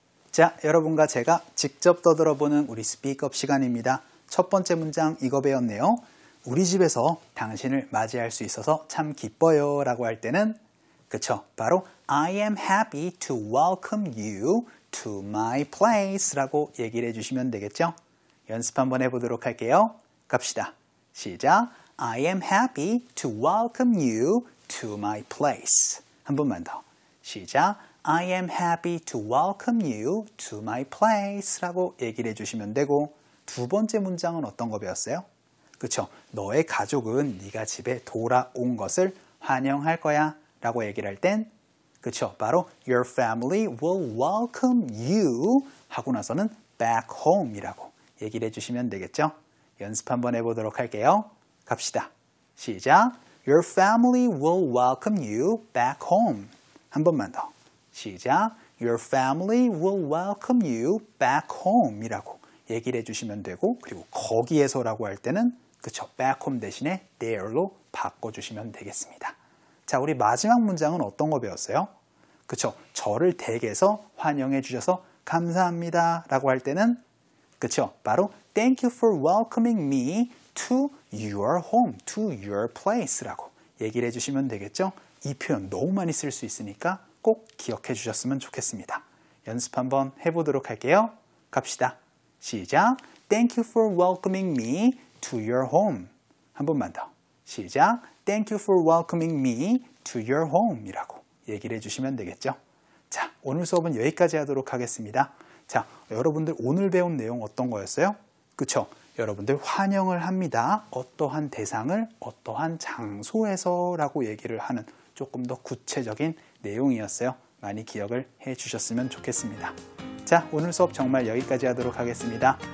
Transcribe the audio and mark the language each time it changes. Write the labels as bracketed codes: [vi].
[ko] 자, 여러분과 제가 직접 떠들어보는 우리 스피커브 시간입니다. 첫 번째 문장 이거 배웠네요. 우리 집에서 당신을 맞이할 수 있어서 참 기뻐요 라고 할 때는 그쵸. 바로 [en] I am happy to welcome you to my place [ko] 라고 얘기를 해주시면 되겠죠. 연습 한번 해보도록 할게요. 갑시다. 시작. [en] I am happy to welcome you to my place. [ko] 한 번만 더. 시작. [en] I am happy to welcome you to my place [ko] 라고 얘기를 해주시면 되고 두 번째 문장은 어떤 거 배웠어요? 그쵸. 너의 가족은 네가 집에 돌아온 것을 환영할 거야. 라고 얘기를 할 땐, 그쵸, 바로 [en] Your family will welcome you [ko] 하고 나서는 [en] back home [ko] 이라고 얘기를 해주시면 되겠죠? 연습 한번 해보도록 할게요. 갑시다. 시작! [en] Your family will welcome you back home. [ko] 한 번만 더. 시작! [en] Your family will welcome you back home [ko] 이라고 얘기를 해주시면 되고 그리고 거기에서라고 할 때는, 그쵸, back home 대신에 there로 바꿔주시면 되겠습니다. 자, 우리 마지막 문장은 어떤 거 배웠어요? 그쵸, 저를 댁에서 환영해 주셔서 감사합니다 라고 할 때는 그쵸, 바로 [en] Thank you for welcoming me to your home, to your place [ko] 라고 얘기를 해주시면 되겠죠? 이 표현 너무 많이 쓸 수 있으니까 꼭 기억해 주셨으면 좋겠습니다. 연습 한번 해보도록 할게요. 갑시다. 시작! [en] Thank you for welcoming me to your home. [ko] 한 번만 더. 시작! [en] Thank you for welcoming me to your home [ko] 이라고 얘기를 해주시면 되겠죠. 자, 오늘 수업은 여기까지 하도록 하겠습니다. 자, 여러분들 오늘 배운 내용 어떤 거였어요? 그쵸? 여러분들 환영을 합니다. 어떠한 대상을 어떠한 장소에서 라고 얘기를 하는 조금 더 구체적인 내용이었어요. 많이 기억을 해주셨으면 좋겠습니다. 자, 오늘 수업 정말 여기까지 하도록 하겠습니다.